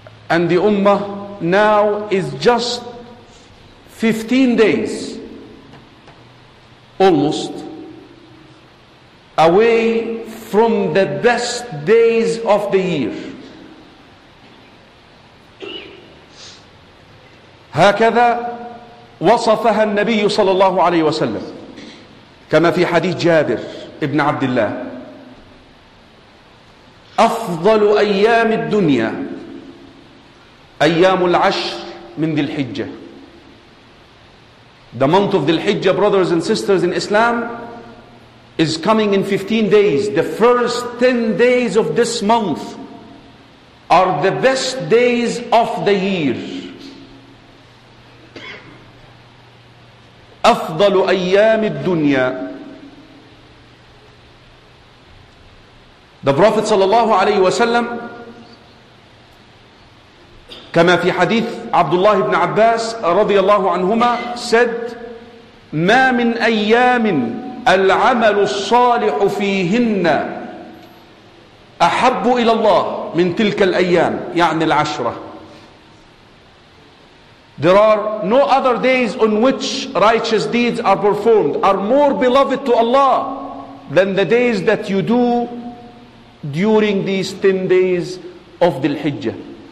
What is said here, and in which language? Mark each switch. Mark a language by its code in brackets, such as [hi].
[en] And the ummah now is just 15 days almost away from the best days of the year. [ar] هكذا وصفها النبي صلى الله عليه وسلم كما في حديث جابر ابن عبد الله أفضل أيام الدنيا أيام العشر من ذي الحجة. [en] The month of ذي الحجة, brothers and sisters in Islam, is coming in 15 days. The first 10 days of this month are the best days of the year. [ar] أفضل أيام الدنيا. [en] The Prophet [ar] صلى الله عليه وسلم كما في حديث عبد الله بن عباس رضي الله عنهما [en] said, [ar] ما من أيام العمل الصالح فيهن أحب إلى الله من تلك الأيام, يعني العشرة. [en] There are no other days on which righteous deeds are performed are more beloved to Allah than the days that you do during these 10 days of Dhul-Hijjah.